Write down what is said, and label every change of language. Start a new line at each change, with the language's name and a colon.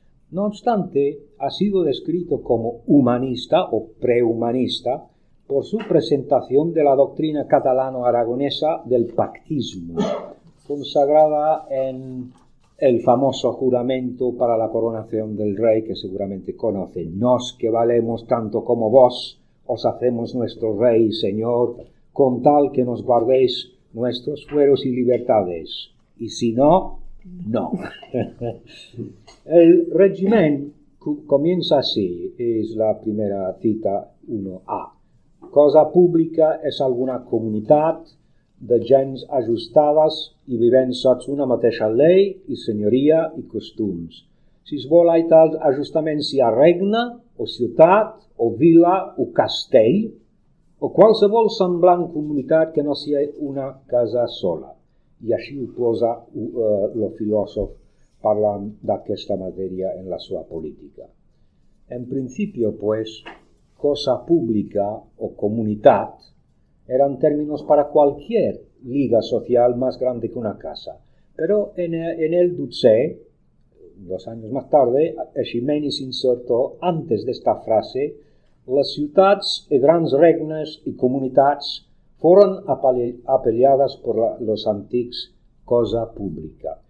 Spanish: No obstante, ha sido descrito como humanista o prehumanista por su presentación de la doctrina catalano-aragonesa del pactismo, consagrada en el famoso juramento para la coronación del rey, que seguramente conocen: «Nos, que valemos tanto como vos, os hacemos nuestro rey y señor, con tal que nos guardéis nuestros fueros y libertades, y si no, no». El régimen comienza así, es la primera cita 1a.
Catalan: «Cosa pública es alguna comunitat de gens ajustades i vivent sots una mateixa llei i senyoria i costums. Si es vol i tal ajustament, si hi ha regne o ciutat o vila o castell o qualsevol semblant comunitat que no sigui una casa sola». I així ho posa el filòsof parlant d'aquesta matèria en la seva política.
Spanish: En principi, pues, cosa pública o comunitat eran términos para cualquier liga social más grande que una casa. Pero en el Duce, dos años más tarde, Eiximenis insertó antes de esta frase:
Catalan: «Les ciutats i grans regnes i comunitats foren apel·liades per los antics cosa pública».